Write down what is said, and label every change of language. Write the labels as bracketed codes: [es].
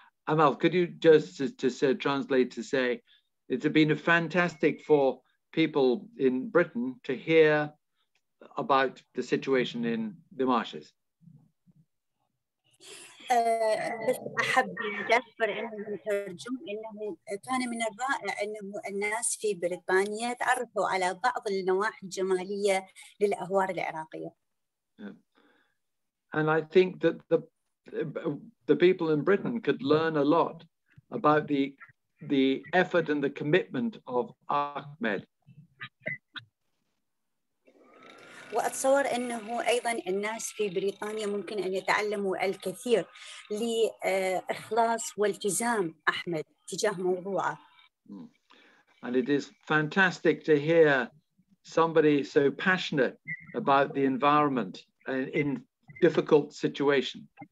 [en] Amal, could you just translate to say, it's been a fantastic for people in Britain to hear about the situation in the marshes. [ar] بس أحب جاسبر إنه يترجم إنه كان من الرائع إنه الناس في بريطانيا تعرفوا على بعض النواحي الجمالية للأهوار العراقية. [en] And I think that the people in Britain could learn a lot about the effort and the commitment of Ahmed. [ar] وأتصور أنه أيضاً الناس في بريطانيا ممكن أن يتعلموا الكثير لإخلاص والتزام أحمد تجاه موضوعه. [en] And it is fantastic to hear somebody so passionate about the environment in difficult situations.